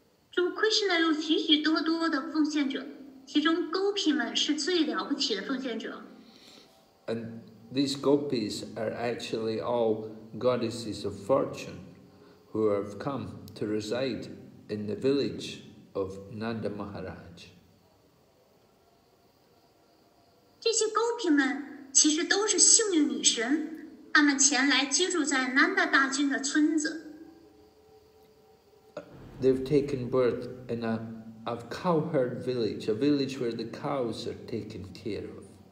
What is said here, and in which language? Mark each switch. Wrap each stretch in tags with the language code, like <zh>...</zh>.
<zh>就Krishna有许许多多的奉献者，其中勾皮们是最了不起的奉献者。</zh> <en>And these gopis are actually all goddesses of fortune who have come to reside in the village of Nanda Maharaj.</en> <zh>这些勾皮们其实都是幸运女神，她们前来居住在Nanda大君的村子。</zh> <en>They've taken birth in a cowherd village, a village where the cows are taken care of.</en>